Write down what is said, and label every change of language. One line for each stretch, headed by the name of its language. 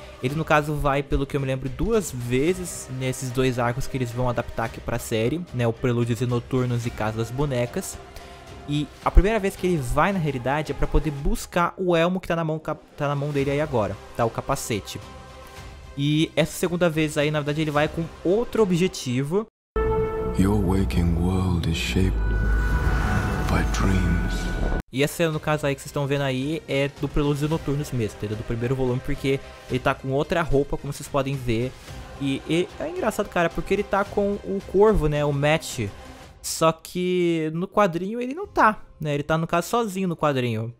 Portuguese: Ele, no caso, vai, pelo que eu me lembro, duas vezes nesses dois arcos que eles vão adaptar aqui pra série, né? O Prelúdios e Noturnos e Casa das Bonecas. E a primeira vez que ele vai, na realidade, é pra poder buscar o elmo que tá na mão dele aí agora, tá? O capacete. E essa segunda vez aí, na verdade, ele vai com outro objetivo.
English: Your waking world is shaped by dreams.
Portuguese: E essa cena, no caso aí, que vocês estão vendo aí, é do Prelúdios e Noturnos mesmo, entendeu? Do primeiro volume, porque ele tá com outra roupa, como vocês podem ver. E é engraçado, cara, porque ele tá com o Corvo, né, o Matt. Só que no quadrinho ele não tá, né? Ele tá, no caso, sozinho no quadrinho.